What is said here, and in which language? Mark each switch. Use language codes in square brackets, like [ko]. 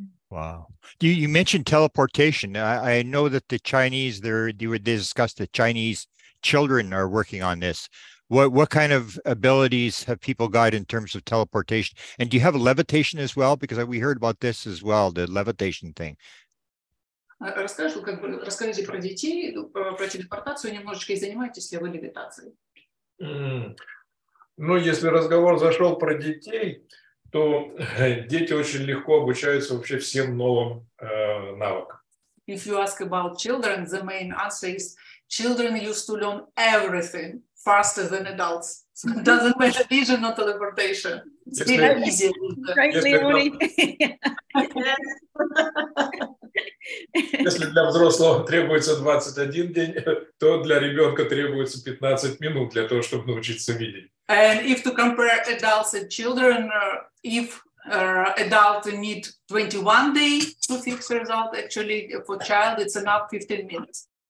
[en] Wow. You mentioned teleportation. I know that the Chinese, they discussed that Chinese children are working on this. What kind of abilities have people got in terms of teleportation? And do you have levitation as well? Because we heard about this as well, the levitation thing. [ru] Расскажите про детей, про телепортацию немножечко и занимайтесь ли вы левитацией. Ну, если разговор зашел про детей, то дети очень легко обучаются вообще всем новым навыкам. [en] If you ask about children, the main answer is children used to learn everything faster than adults. Doesn't matter vision or teleportation. Right, Leonie. [ru] Если для взрослого требуется 21 день, то для ребенка требуется 15 минут для того, чтобы научиться видеть. [en] And if to compare adults and children, if adult need 21 day to fix the result, actually for child it's enough 15 minutes.